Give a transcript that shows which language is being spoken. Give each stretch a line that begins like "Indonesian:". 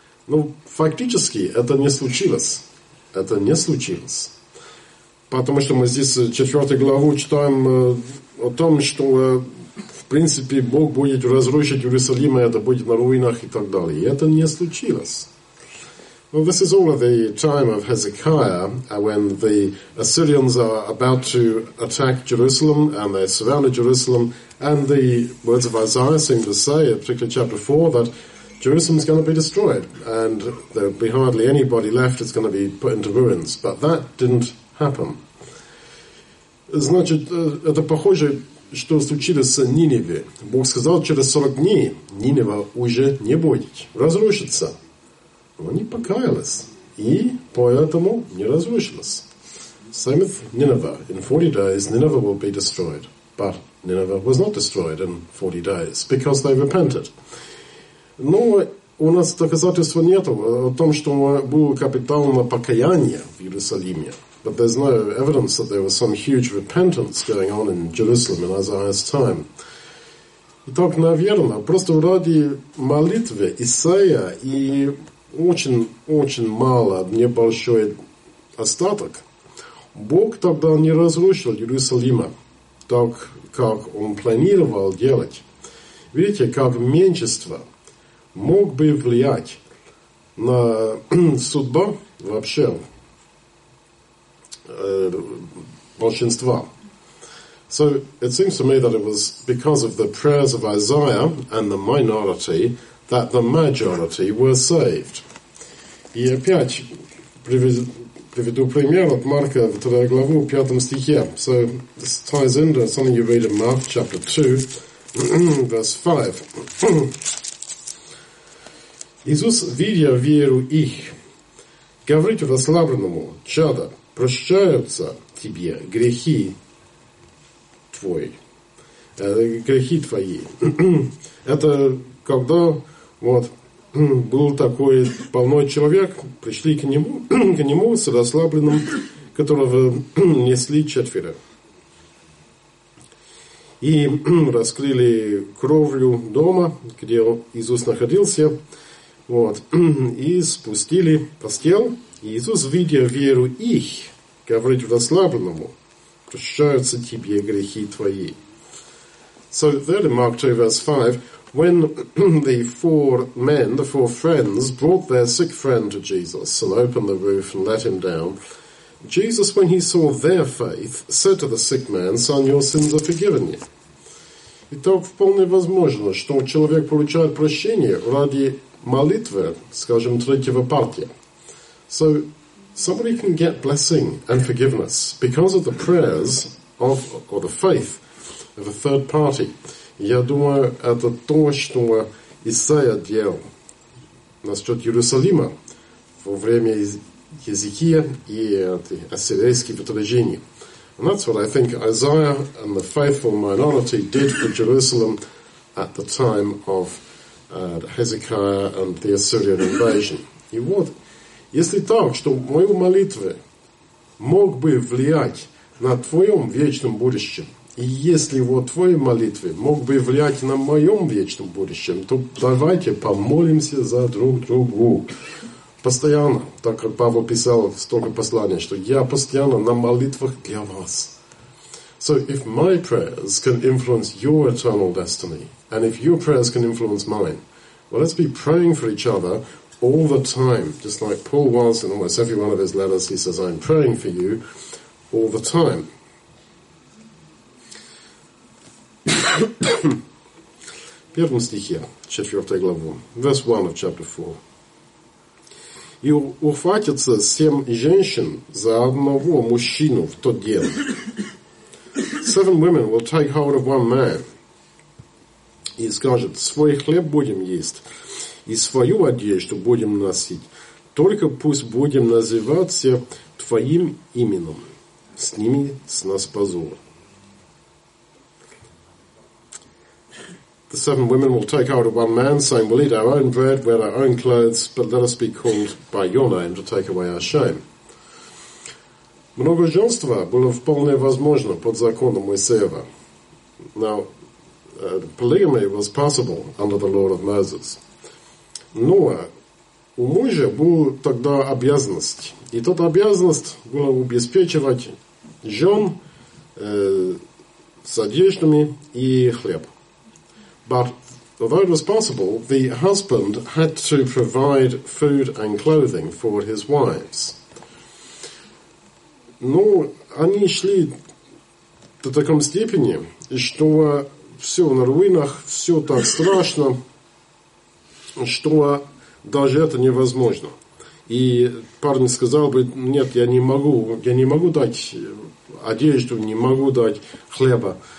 Russian: Но фактически это не случилось. Это не случилось. Потому что мы здесь 4 главу читаем о том, что в принципе Бог будет разрушить Иерусалим, и это будет на руинах и так далее. И это не случилось.
English: Well, this is all of the time of Hezekiah, when the Assyrians are about to attack Jerusalem, and they surrounded Jerusalem, and the words of Isaiah seem to say, particularly chapter 4, that Jerusalem is going to be destroyed, and there will be hardly anybody left, it's going to be put into ruins. But that didn't happen.
Russian: Значит, это похоже, что случилось с Ниневе. Бог сказал, через 40 дней Нинева уже не будет, разрушится. Но не покаялась. И поэтому не разрушилась.
English: Same with Nineveh. In 40 days, Nineveh will be destroyed. But Nineveh was not destroyed in 40 days, because they repented.
Russian: Но у нас доказательства нет о том, что было капитальное покаяние в Иерусалиме.
English: But there's no evidence that there was some huge repentance going on in Jerusalem in Isaiah's time.
Russian: Итак, наверное, просто ради молитвы Исаия и очень-очень мало, небольшой остаток, Бог тогда не разрушил Иерусалима так, как Он планировал делать. Видите, как меньшинство мог бы влиять на судьбу вообще большинства.
English: So it seems to me that it was because of the prayers of Isaiah and the minority that the majority were saved.
Russian: И опять приведу пример от Марка, 2 главу, 5 стихе.
English: So this ties into something you read in Mark, chapter 2, verse 5.
Russian: Иисус, видя веру их, говорит расслабленному, чадо, прощаются тебе грехи твои. Грехи твои. Это когда вот был такой больной человек, пришли к нему с расслабленным, которого несли четверо. И раскрыли кровлю дома, где Иисус находился, вот, и спустили постел. И Иисус, видя веру их, говорит расслабленному, прощаются тебе грехи твои.
English: So there in Mark 2, verse 5, when the four men, the four friends, brought their sick friend to Jesus and opened the roof and let him down, Jesus, when he saw their faith, said to the sick man, Son, your sins are forgiven you.
Russian: Итак, вполне возможно, что человек получает прощение ради молитвы, скажем, третьего партия.
English: So somebody can get blessing and forgiveness because of the prayers of, or the faith of a third party.
Russian: Я думаю, это то, что Исаия делал насчет Иерусалима во время Езекия и ассирийских вторжений.
English: And that's what I think Isaiah and the faithful minority did for Jerusalem at the time of Hezekiah and the Assyrian invasion.
Russian: И вот, если так, что мою молитву мог бы влиять на твоем вечном будущем, и если вот твои молитвы мог бы влиять на моем вечном будущем, то давайте помолимся за друг другу. Постоянно, так как Павел писал столько посланий, что я постоянно на молитвах для вас.
English: So if my prayers can influence your eternal destiny, and if your prayers can influence mine, well, let's be praying for each other all the time. Just like Paul was in almost every one of his letters, he says, I'm praying for you all the time.
Russian: В первом стихе, 4 главу,
English: verse 1 of chapter 4.
Russian: И ухватятся 7 женщин за одного мужчину в тот день.
English: 7 women will take hold of one man.
Russian: И скажут, свой хлеб будем есть, и свою одежду будем носить, только пусть будем называться твоим именем, сними с нас позор.
English: The seven women will take hold of one man, saying, we'll eat our own bread, wear our own clothes, but let us be called by your name to take away our shame.
Russian: Многоженство было вполне возможно под законом Моисеева.
English: Now, polygamy was possible under the law of Moses.
Russian: Но у мужа была тогда обязанность. И эта обязанность была обеспечивать жен с одеждами и хлеб.
English: But although it was possible, the husband had to provide food and clothing for his wives.
Russian: Но они шли до такой степени, что все на руинах, все так страшно, что даже это невозможно. И парень сказал бы, нет, я не могу дать одежду, не могу дать хлеба.